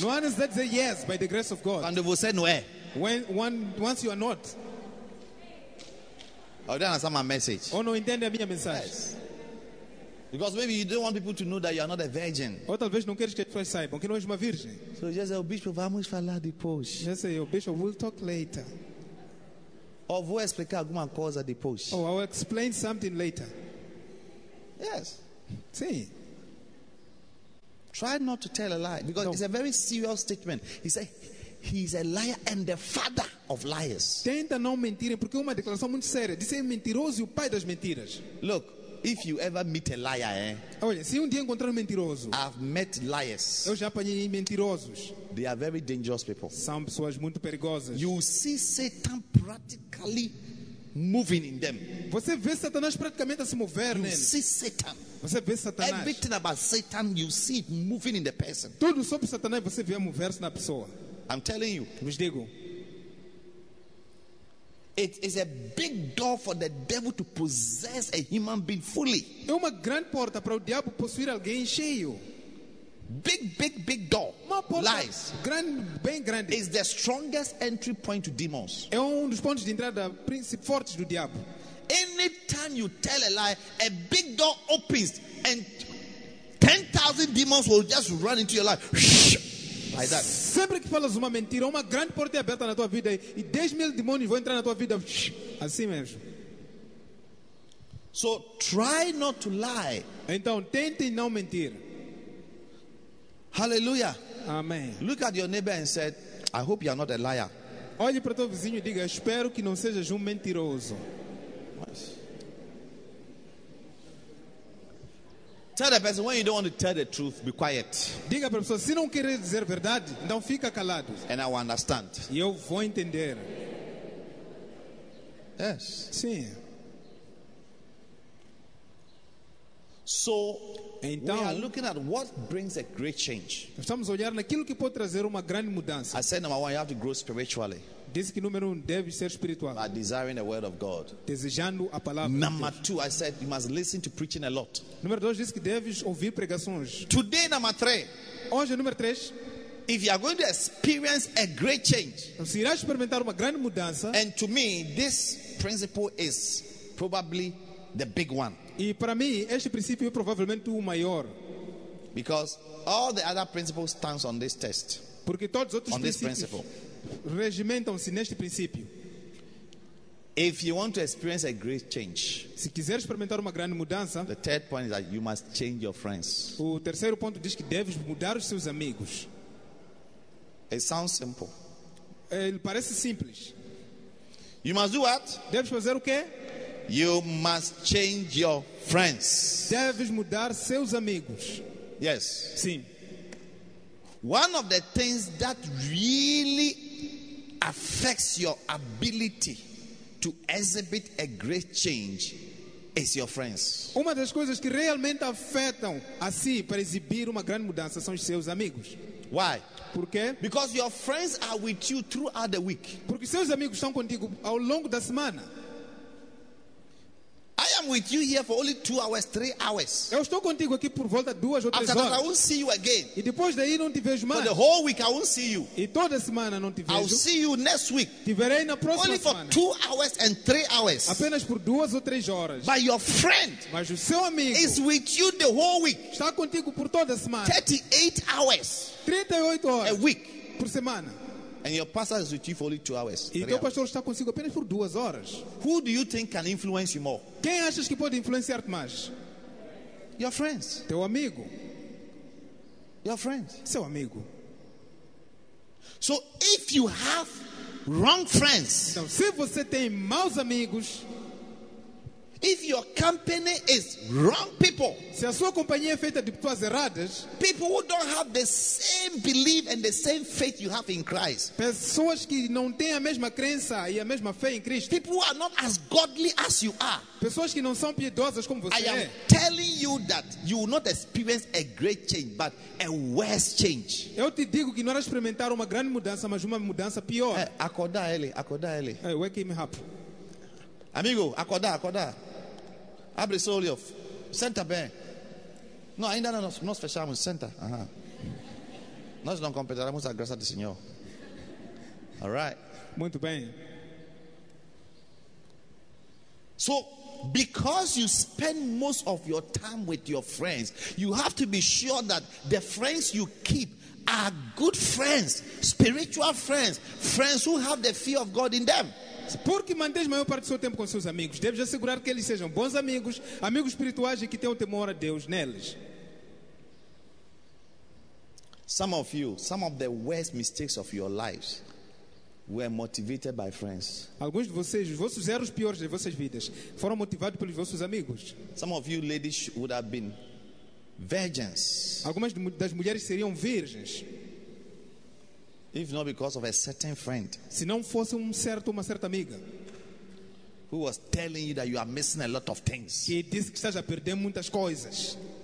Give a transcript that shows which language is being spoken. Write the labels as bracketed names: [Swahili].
[English] No one is that say yes by the grace of God. [Portuguese] Quando você não é. [English] Once you are not. I don't understand my message. [Portuguese] Oh no, entende a minha mensagem. [English] Yes. Because maybe you don't want people to know that you are not a virgin. [Portuguese] Ou talvez não queres que as pessoas saibam que não és uma virgem. [English] So you just say, bishop, [Portuguese] vamos falar depois. [English] Yes, sir, your bishop, we'll talk later. [Portuguese] Ou vou explicar alguma coisa depois. [English] Oh, I'll explain something later. Yes. [Portuguese] Sim. [English] Try not to tell a lie. Because no. It's a very serious statement. He said, he's a liar and the father of liars. [Portuguese] Tenta não mentir porque é uma declaração muito séria. Diz ser mentiroso e o pai das mentiras. [English] Look, if you ever meet a liar, [Portuguese] olha, se dia encontrar mentiroso. [English] I've met liars. [Portuguese] Eu já apanhei mentirosos. [English] They are very dangerous people. [Portuguese] São pessoas muito perigosas. [English] You see Satan practically moving in them. [Portuguese] Você vê Satanás praticamente a se mover neles. [English] You see Satan. [Portuguese] Você vê Satanás. [English] Everything about Satan, you see it moving in the person. [Portuguese] Tudo sobre Satanás você vê mover-se na pessoa. [English] I'm telling you. [Portuguese] Vos digo. [English] It is a big door for the devil to possess a human being fully. [Portuguese] É uma grande porta para o diabo possuir alguém cheio. [English] Big door. [Portuguese] Uma porta [English] lies. [Portuguese] Grande, bem grande. [English] Is the strongest entry point to demons. [Portuguese] É dos pontos de entrada principais fortes do diabo. [English] Anytime you tell a lie, a big door opens and 10,000 demons will just run into your life. Like that. [Portuguese] Sempre que falas uma mentira, uma grande porta é aberta na tua vida e 10 mil demônios vão entrar na tua vida assim mesmo. [English] So try not to lie. [Portuguese] Então tente não mentir. [English] Hallelujah. [Portuguese] Amém. [English] Look at your neighbor and said, I hope you are not a liar. [Portuguese] Olhe para o teu vizinho e diga, espero que não sejas mentiroso. [English] Tell the person when you don't want to tell the truth, be quiet. [Portuguese] Diga para a pessoa, se não quer dizer verdade, então fica calado. [English] And I will understand. [Portuguese] E eu vou entender. [English] Yes. [Portuguese] Sim. [English] So, [Portuguese] então, [English] we are looking at what brings a great change. [Portuguese] Estamos olhando naquilo que pode trazer uma grande mudança. [English] I said number one, you have to grow spiritually. [Portuguese] Diz que número um deve ser espiritual. [English] By desiring the word of God. [Portuguese] Desejando a palavra. [English] Number two, I said you must listen to preaching a lot. [Portuguese] Número dois, diz que deves ouvir pregações. [English] Today, number three. [Portuguese] Hoje, número três. [English] If you are going to experience a great change. [Portuguese] Se irás experimentar uma grande mudança. [English] And to me, this principle is probably the big one. [Portuguese] E para mim, este princípio é provavelmente o maior. [English] Because all the other principles stand on this test. [Portuguese] Porque todos os outros [English] on [Portuguese] princípios. Regimentam-se neste princípio. [English] If you want to experience a great change, [Portuguese] se quiser experimentar uma grande mudança, [English] the third point is that you must change your friends. [Portuguese] O terceiro ponto diz que deves mudar os seus amigos. [English] It sounds simple. [Portuguese] Ele parece simples. [English] You must do what? [Portuguese] Deves fazer o quê? [English] You must change your friends. [Portuguese] Deves mudar seus amigos. [English] Yes. [Portuguese] Sim. [English] One of the things that really affects your ability to exhibit a great change is your friends. [Portuguese] Uma das coisas que realmente afetam assim para exibir uma grande mudança são os seus amigos. [English] Why? [Portuguese] Por quê? [English] Because your friends are with you throughout the week. [Portuguese] Porque seus amigos estão contigo ao longo da semana. [English] I am with you here for only 2 hours, 3 hours. [Portuguese] Eu estou contigo aqui por volta de duas ou três [English] After [Portuguese] horas. [English] That, I won't see you again. [Portuguese] E depois daí não te vejo mais. [English] For the whole week, I won't see you. [Portuguese] E toda semana não te vejo. [English] I'll see you next week. [Portuguese] Te verei na próxima [English] only [Portuguese] semana. [English] For 2 hours and 3 hours. [Portuguese] Apenas por duas ou três horas. [English] But your friend, [Portuguese] mas o seu amigo, [English] is with you the whole week. [Portuguese] Está contigo por toda a semana. [English] 38 hours. [Portuguese] 38 horas. [English] A week. [Portuguese] Por semana. [English] And your pastor is with you for only 2 hours. [Portuguese] E teu pastor está consigo apenas por duas horas. [English] Who do you think can influence you more? [Portuguese] Quem achas que pode influenciar-te mais? [English] Your friends. [Portuguese] Teu amigo. [English] Your friends. [Portuguese] Seu amigo. [English] So if you have wrong friends. [Portuguese] Então, se você tem maus amigos. [English] If your company is wrong people, [Portuguese] se a sua companhia é feita de pessoas erradas, [English] people who don't have the same belief and the same faith you have in Christ, [Portuguese] pessoas que não têm a mesma crença e a mesma fé em Cristo, [English] people who are not as godly as you are, [Portuguese] pessoas que não são piedosas como você, [English] I am telling you that you will not experience a great change, but a worse change. [Portuguese] Eu te digo que não vais experimentar uma grande mudança, mas uma mudança pior. Acorda ele. [English] Hey, wake him up. [Portuguese] Amigo, acorda. Abre seu olho. Senta bem. Não, ainda não fechamos. Senta. Uh-huh. Nós não completaremos a graça do Senhor. [English] All right. [Portuguese] Muito bem. [English] So, because you spend most of your time with your friends, you have to be sure that the friends you keep are good friends, spiritual friends, friends who have the fear of God in them. [Portuguese] Porque mantém a maior parte do seu tempo com seus amigos, deves assegurar que eles sejam bons amigos, amigos espirituais e que tenham temor a Deus neles. [English] Some of you, some of the worst mistakes of your lives were motivated by friends. [Portuguese] Alguns de vocês, os vossos erros piores das vossas vidas, foram motivados pelos vossos amigos. [English] Some of you ladies would have been virgins. [Portuguese] Algumas das mulheres seriam virgens. [English] If not because of a certain friend, [Portuguese] se não fosse uma certa amiga, [English] who was telling you that you are missing a lot of things, [Portuguese] que disse que estás a perder muitas coisas.